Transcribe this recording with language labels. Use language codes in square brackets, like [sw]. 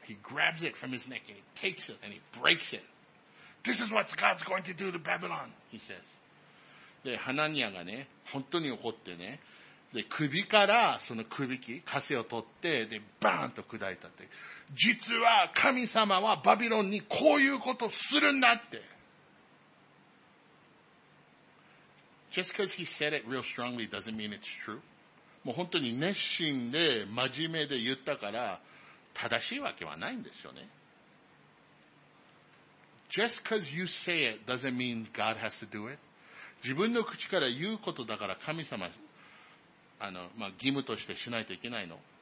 [en] He grabs it from his neck and he takes it and he breaks it. This is what God's going to do to Babylon, he says. [ja] で、ハナニアがね、本当に怒ってね、で、首からその首輝き、枷を取って、で、バーンと砕いたって。実は神様はバビロンにこういうことするんだって。 [en] Just because he said it real strongly doesn't mean it's true. [ja] もう本当に熱心で真面目で言ったから、正しいわけはないんですよね。 [en] Just because you say it doesn't mean God has to do it. [ja] 自分の口から言うことだから神様、まあ、義務としてしないといけないの。